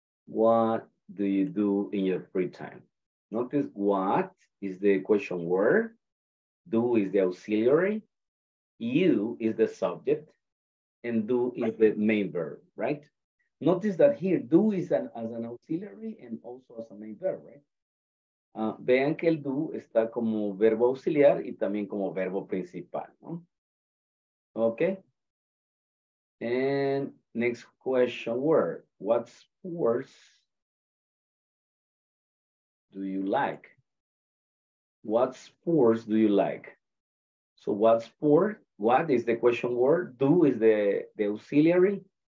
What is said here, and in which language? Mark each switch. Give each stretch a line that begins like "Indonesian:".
English: What do you do in your free time? Notice what is the question word, do is the auxiliary, you is the subject, and do is the main verb, right? Notice that here, do is as an auxiliary and also as a main verb, right?
Spanish: Vean que el do está como verbo auxiliar y también como verbo principal, ¿no?
English: Okay. And next question word, what sports do you like? What sports do you like? So what sport? What is the question word? Do is the auxiliary.